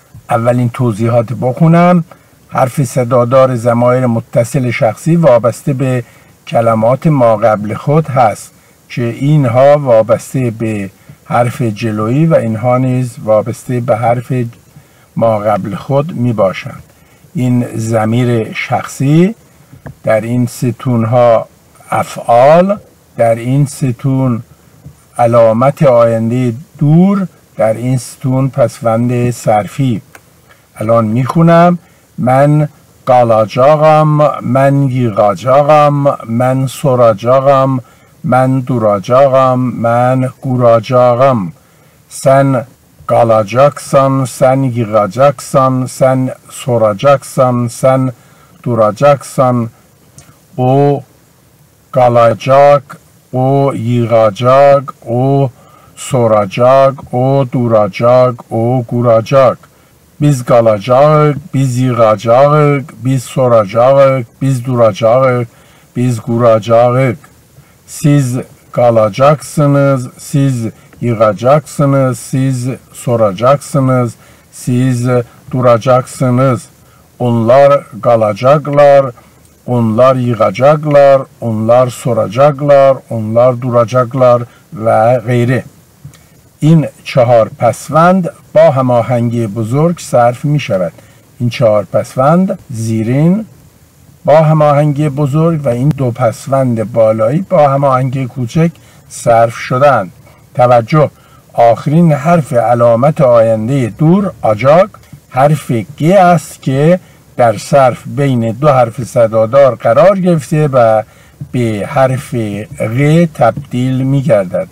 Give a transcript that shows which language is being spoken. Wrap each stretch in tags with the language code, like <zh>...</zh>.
<fa>اولین توضیحات بخونم. حرف صدادار ضمایر متصل شخصی وابسته به کلمات ما قبل خود هست، که اینها وابسته به حرف جلویی و اینها نیز وابسته به حرف ما قبل خود می باشند. این ضمیر شخصی در این ستون ها افعال، در این ستون علامت آینده دور، در این ستون پسوند صرفی. الان می خونم.</fa> <az>من قالاجاغم، من گیغاجاغم، من سوراجاغم، من دوراجاغم، من گوراجاغم. سن قالاجاکسان، سن گیغاجاکسان، سن سوراجاکسان، سن دوراجاکسان. او قالاجاک، او گیغاجاک، او سوراجاک، او دوراجاک، او گوراجاک. بیز قالاجاک، بیز گیغاجاک، بیز سوراجاک، بیز دوراجاک، بیز گوراجاک. سیز قالاجاکسنز، سیز گیغاجاکسنز، سیز سوراجاکسنز، سیز دوراجاکسنز. اونلار قالاجاکلار، اونلار یغاجاکلار، اونلار سوراجاکلار، اونلار دوراجاکلار</az> <fa>و غیره. این چهار پسوند با هماهنگی بزرگ صرف می شود. این چهار پسوند زیرین با هماهنگی بزرگ و این دو پسوند بالایی با هماهنگی کوچک صرف شدند. توجه، آخرین حرف علامت آینده دور آجاک حرف گ است که در صرف بین دو حرف صدادار قرار گرفته و به حرف غ تبدیل می گردد.</fa>